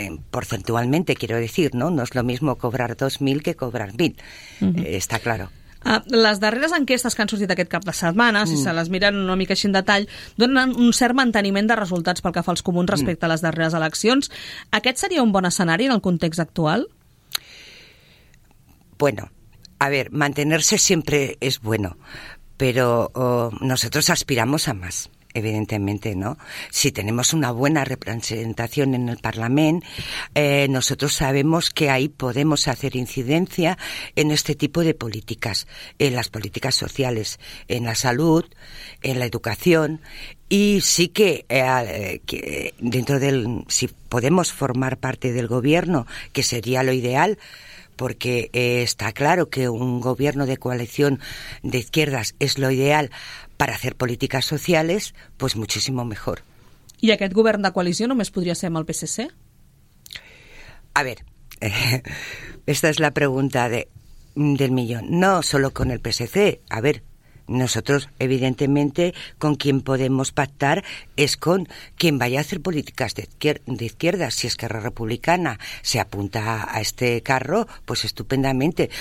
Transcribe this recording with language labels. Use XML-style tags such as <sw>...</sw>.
<es>Porcentualmente, quiero decir, ¿no? No es lo mismo cobrar 2.000 que cobrar 1.000. Uh-huh. Está claro.</es> <ca>Les darreres enquestes que han sortit aquest cap de setmana, si se les miren una mica així en detall, donen un cert manteniment de resultats pel que fa als comuns respecte a les darreres eleccions. Aquest seria un bon escenari en el context actual?</ca> <es>Bueno, a ver, mantenerse siempre es bueno, pero nosotros aspiramos a más, evidentemente, ¿no? Si tenemos una buena representación en el Parlament, nosotros sabemos que ahí podemos hacer incidencia en este tipo de políticas, en las políticas sociales, en la salud, en la educación. Y sí que dentro del, si podemos formar parte del gobierno, que sería lo ideal, porque está claro que un gobierno de coalición de izquierdas es lo ideal para hacer políticas sociales, pues muchísimo mejor.</es> <ca>¿Y aquest govern de coalició només podria ser amb el PSC?</ca> <es>A ver, esta es la pregunta del millón. No solo con el PSC. A ver, nosotros, evidentemente, con quien podemos pactar es con quien vaya a hacer políticas de izquierdas. Si Esquerra Republicana se apunta a este carro, pues estupendamente.</es>